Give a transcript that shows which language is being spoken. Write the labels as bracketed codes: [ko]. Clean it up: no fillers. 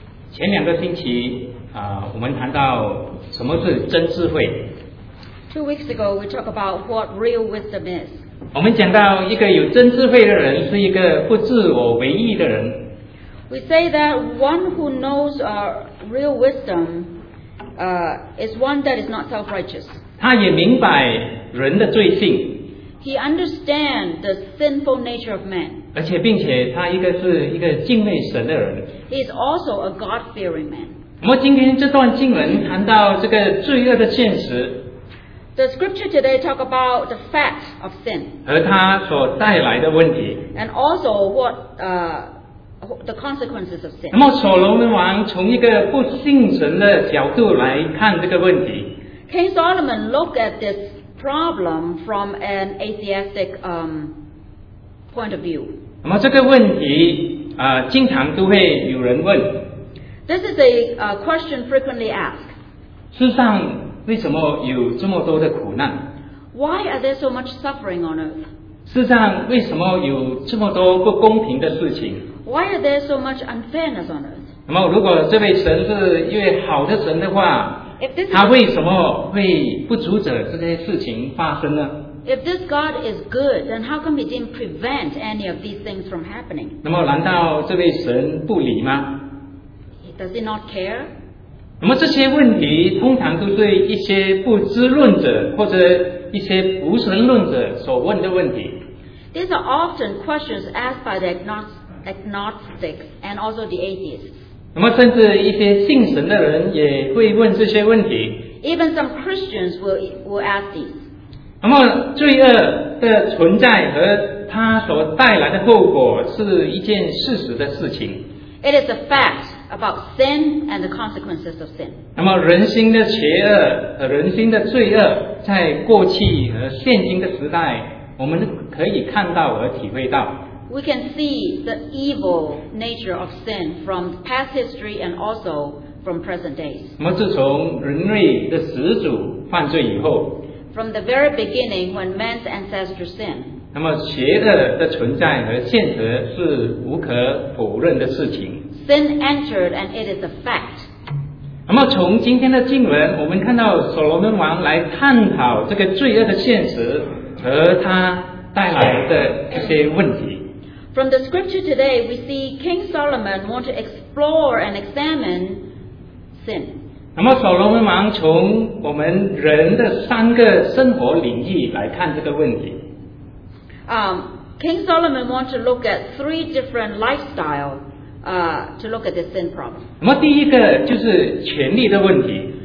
[zh] 前两个星期我们谈到什么是真智慧。 [en] Two weeks ago, we talked about what real wisdom is. [zh] 我们讲到一个有真智慧的人是一个不自我为意的人。 [en] We say that one who knows real wisdom, is one that is not self-righteous. [zh] 他也明白人的罪性。 [en] He understands the sinful nature of man. [zh] 而且并且他一个是一个敬畏神的人。 [en] He is also a God-fearing man. [zh] 我们今天这段经文谈到这个罪恶的现实。 [en] The scripture today talk about the fact of sin. [zh] 和他所带来的问题。 [en] And also what the consequences of sin. [zh] 那么所罗门王从一个不信神的角度来看这个问题。 [en] King Solomon looked at this problem from an atheistic point of view. [zh] 那么这个问题经常都会有人问。 [en] This is a question frequently asked. [zh] 世上为什么有这么多的苦难？ [en] Why are there so much suffering on earth? [zh] 世上为什么有这么多不公平的事情？ [en] Why are there so much unfairness on earth? [zh] 那么如果这位神是一位好的神的话，他为什么会不阻止这些事情发生呢？ [en] If this God is good, then how come he didn't prevent any of these things from happening? [zh] 那么难道这位神不理吗？ [en] Does he not care? [zh] 那么这些问题通常都对一些不知论者或者一些无神论者所问的问题。 [en] These are often questions asked by the agnostics and also the atheists. [zh] 那么甚至一些信神的人也会问这些问题。 [en] Even some Christians will ask these. [zh] 那么罪恶的存在和它所带来的后果是一件事实的事情。 [en] It is a fact about sin and the consequences of sin. [zh] 那么人心的邪恶和人心的罪恶，在过去和现今的时代，我们可以看到和体会到。 [en] We can see the evil nature of sin from past history and also from present days. [zh] 那么自从人类的始祖犯罪以后， [en] From the very beginning, when man's ancestors sinned, [zh] 那么邪恶的存在和现实是无可否认的事情。 [en] Sin entered, and it is a fact. [zh] 那么从今天的经文，我们看到所罗门王来探讨这个罪恶的现实和他带来的一些问题。 [en] From the scripture today, we see King Solomon want to explore and examine sin. [zh] 那么所罗门王从我们人的三个生活领域来看这个问题。 [en] King Solomon wants to look at three different lifestyle, to look at the sin problem. [zh] 那么第一个就是权力的问题。